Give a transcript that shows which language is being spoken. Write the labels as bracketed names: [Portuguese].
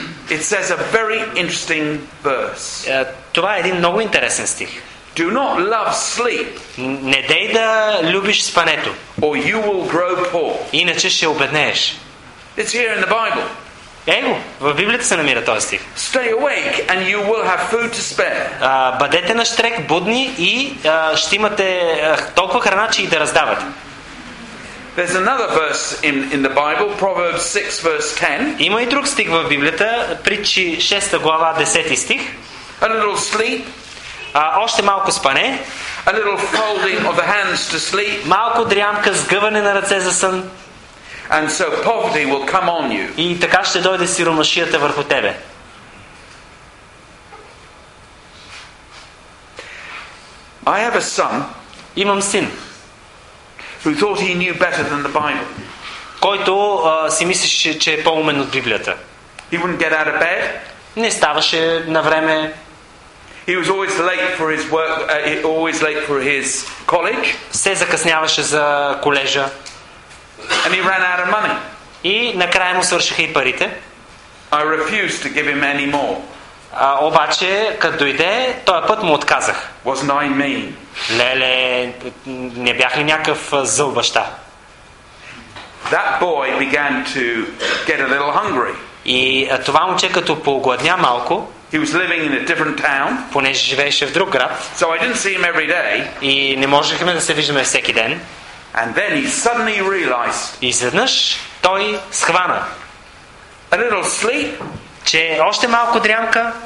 [English] It says a very interesting verse. [Bulgarian] Това е един много интересен стих. [English] Do not love sleep. [Bulgarian] Не дей да любиш спането. [English] Or you will grow poor. [Bulgarian] Иначе ще обеднееш. [English] It's here in the Bible. [Bulgarian] Его, в Библията се намира този стих. [English] Stay awake and you will have food to spare. [Bulgarian] Бъдете на штрек, будни и ще имате толкова храна, че и да раздавате. [English] There's another verse in the Bible, Proverbs 6 verse 10. [Bulgarian] Има и друг стих в Библията, Притчи 6 глава 10 стих. [English] A little sleep. [Bulgarian] Още малко спане. [English] A little folding of the hands to sleep. [Bulgarian] Малко дрямка, сгъване на ръце за сън. [English] And so poverty will come on you. [Bulgarian] И така ще дойде сиромашията върху тебе. [English] I have a son. [Bulgarian] Имам син. [English] Who thought he knew better than the Bible. [Bulgarian] Който си мислеше, че е по-умен от Библията. [English] He wouldn't get out of bed. [Bulgarian] Не ставаше на време. [English] He was always late for his work, always late for his college. [Bulgarian] Се закъсняваше за колежа. [English] And he ran out of money. [Bulgarian] И накрая му свършиха и парите. [English] I refused to give him any more. [Bulgarian] Обаче, като дойде, този път му отказах. [English] Wasn't I mean? [Bulgarian] Леле, не бях ли някакъв зъл баща? [English] That boy began to get a little hungry. [Bulgarian] И това момче като поогладня малко. [English] He was living in a different town. [Bulgarian] Понеже живееше в друг град. [English] So I didn't see him every day. [Bulgarian] И не можехме да се виждаме всеки ден. [English] And then he suddenly realized. [Bulgarian] И изведнъж той схвана. [English] A little sleep. [Bulgarian] Че още малко дрямка.